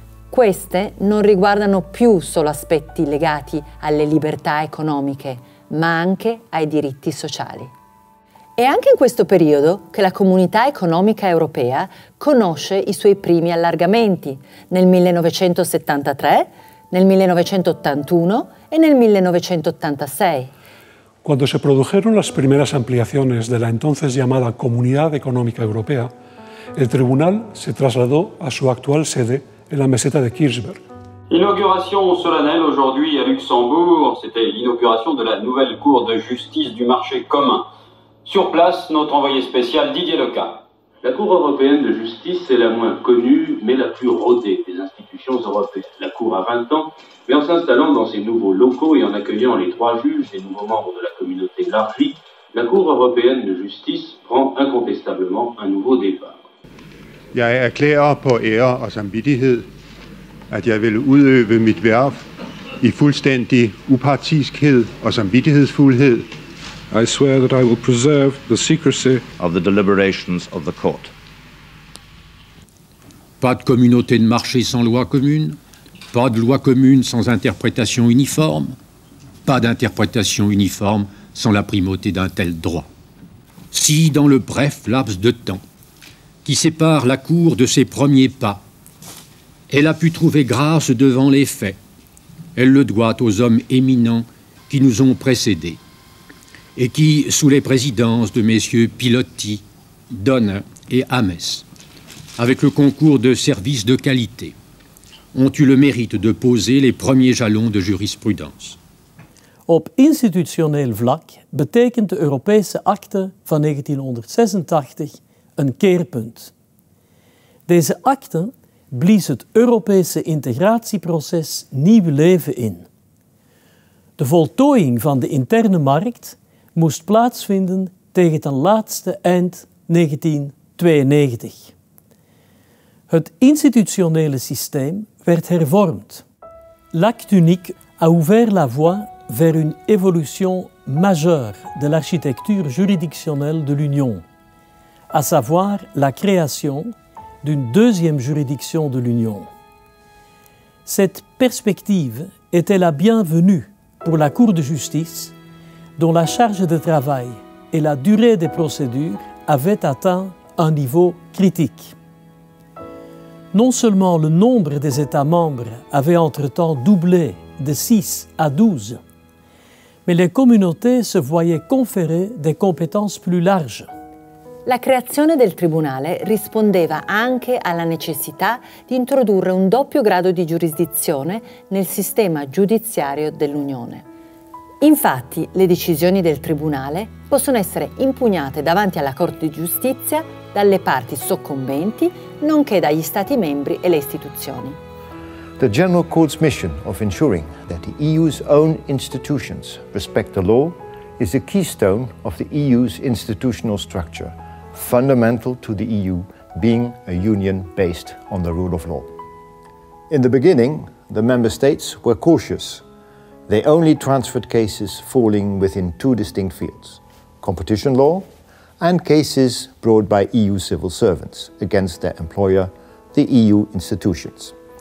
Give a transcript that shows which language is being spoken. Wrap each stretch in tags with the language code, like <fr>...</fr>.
<it>Queste non riguardano più solo aspetti legati alle libertà economiche, ma anche ai diritti sociali. È anche in questo periodo che la Comunità Economica Europea conosce i suoi primi allargamenti, nel 1973, nel 1981 e nel 1986.</it> <es>Quando se produjeron las primeras ampliaciones de la entonces llamada Comunidad Económica Europea, el tribunal se trasladó a su actual sede en la meseta de Kirchberg.</es> <fr>Inauguration solennelle aujourd'hui à Luxembourg, c'était l'inauguration de la nouvelle Cour de justice du marché commun. Sur place, notre envoyé spécial Didier Leca. La Cour européenne de justice est la moins connue, mais la plus rodée des institutions européennes. La Cour a 20 ans, mais en s'installant dans ses nouveaux locaux et en accueillant les trois juges et nouveaux membres de la communauté élargie, la Cour européenne de justice prend incontestablement un nouveau départ.</fr> <da>Jeg erklærer på ære og samvittighed, at jeg vil udøve mit værv i fuldstændig upartiskhed og samvittighedsfuldhed.</da> <en>I swear that I will preserve the secrecy of the deliberations of the court.</en> <fr>Pas de communauté de marché sans loi commune, pas de loi commune sans interprétation uniforme, pas d'interprétation uniforme sans la primauté d'un tel droit. Si dans le bref laps de temps qui sépare la cour de ses premiers pas, elle a pu trouver grâce devant les faits. Elle le doit aux hommes éminents qui nous ont précédés et qui, sous les présidences de messieurs Pilotti, Donne et Ames, avec le concours de services de qualité, ont eu le mérite de poser les premiers jalons de jurisprudence.</fr> <nl>Op institutioneel vlak betekent de Europese acte van 1986 een keerpunt. Deze akte blies het Europese integratieproces nieuw leven in. De voltooiing van de interne markt moest plaatsvinden tegen ten laatste eind 1992. Het institutionele systeem werd hervormd.</nl> <fr>L'acte unique a ouvert la voie vers une évolution majeure de l'architecture juridictionnelle de l'Union, à savoir la création d'une deuxième juridiction de l'Union. Cette perspective était la bienvenue pour la Cour de justice, dont la charge de travail et la durée des procédures avaient atteint un niveau critique. Non seulement le nombre des États membres avait entre-temps doublé de 6 à 12, mais les communautés se voyaient conférer des compétences plus larges.</fr> <it>La creazione del Tribunale rispondeva anche alla necessità di introdurre un doppio grado di giurisdizione nel sistema giudiziario dell'Unione. Infatti, le decisioni del Tribunale possono essere impugnate davanti alla Corte di Giustizia dalle parti soccombenti, nonché dagli Stati membri e le istituzioni.</it> <en>The General Court's mission of ensuring that the EU's own institutions respect the law is a keystone of the EU's institutional structure, fundamental to the EU being a union based on the rule of law. In the beginning, the member states were cautious. They only transferred cases falling within two distinct fields, competition law and cases brought by EU civil servants against their employer, the EU institutions.</en>